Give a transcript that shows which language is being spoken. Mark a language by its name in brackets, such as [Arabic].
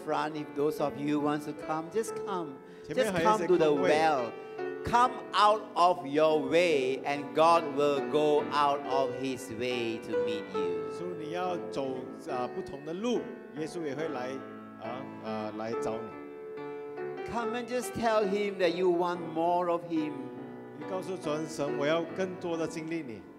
[English] If those of you want to come, just come. Just come to the well. Come out of your way, and God will go out of His way to meet you. [Chinese] So, 你要走不同的路，耶稣也会来找你。 [English] Come and just tell Him that you want more of Him. [Chinese] 你告诉主神，我要更多的经历你。